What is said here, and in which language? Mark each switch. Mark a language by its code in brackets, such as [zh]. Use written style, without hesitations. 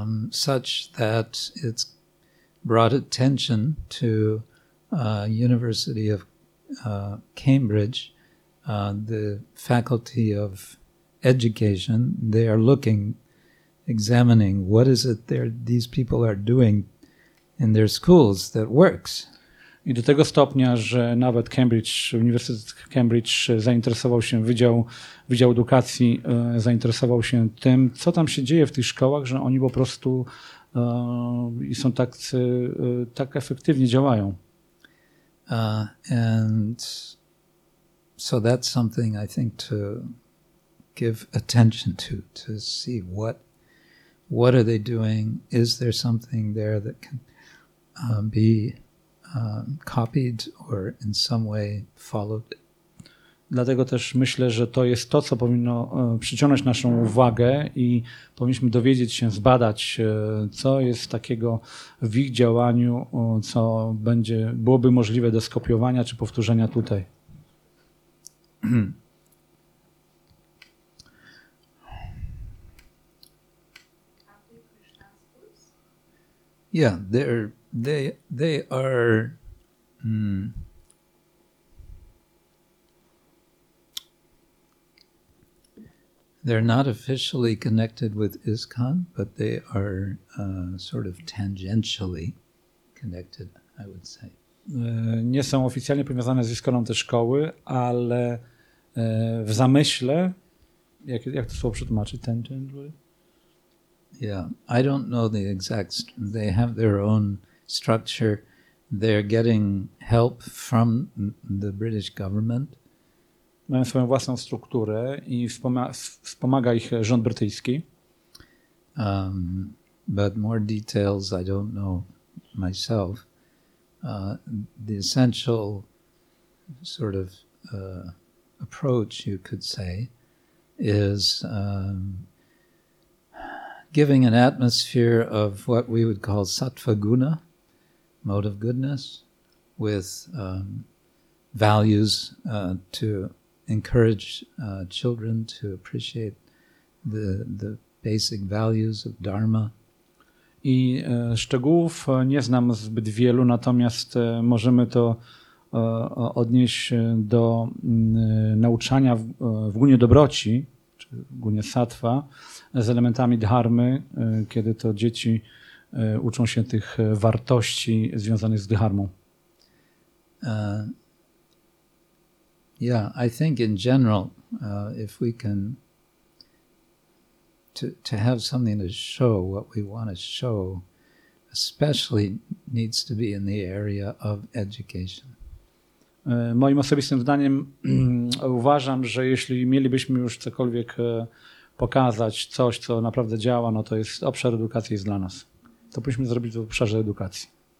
[en] Such that it's brought attention to University of Cambridge, the Faculty of Education, they are examining what is it these people are doing in their schools that works. [pl] I do tego stopnia, że nawet Uniwersytet Cambridge zainteresował się, Wydział Edukacji zainteresował się tym, co tam się dzieje w tych szkołach, że oni po prostu są tak efektywnie działają. [en] And so that's something I think to give attention to see what are they doing? Is there something there that can be copied or in some way followed? [pl] Dlatego też myślę, że to jest to, co powinno przyciągnąć naszą uwagę i powinniśmy dowiedzieć się, zbadać, co jest takiego w ich działaniu, co byłoby możliwe do skopiowania czy powtórzenia tutaj. [en] Yeah, they are... They're not officially connected with ISKCON, but they are sort of tangentially connected, I would say. [pl] Nie są oficjalnie powiązane z ISKCON-em te szkoły, ale w zamyśle, jak to słowo przetłumaczyć, tangentially? [en] Yeah, I don't know the exact, they have their own structure. They're getting help from the British government. [pl] Mają swoją własną strukturę i wspomaga ich rząd brytyjski. [en] But more details I don't know myself. The essential sort of approach, you could say, is giving an atmosphere of what we would call sattva-guna, mode of goodness, with values to encourage children to appreciate the basic values of dharma. [pl] I szczegółów nie znam zbyt wielu, natomiast możemy to odnieść do nauczania w gunie dobroci, czy w gunie sattwa, z elementami dharmy, kiedy to dzieci uczą się tych wartości związanych z dharmą. [en] Yeah, I think in general, if we can to have something to show, what we want to show, especially needs to be in the area of education. [pl] Moim osobistym zdaniem uważam, że jeśli mielibyśmy już cokolwiek pokazać, coś, co naprawdę działa, no to jest obszar edukacji jest dla nas. To powinniśmy zrobić w obszarze edukacji.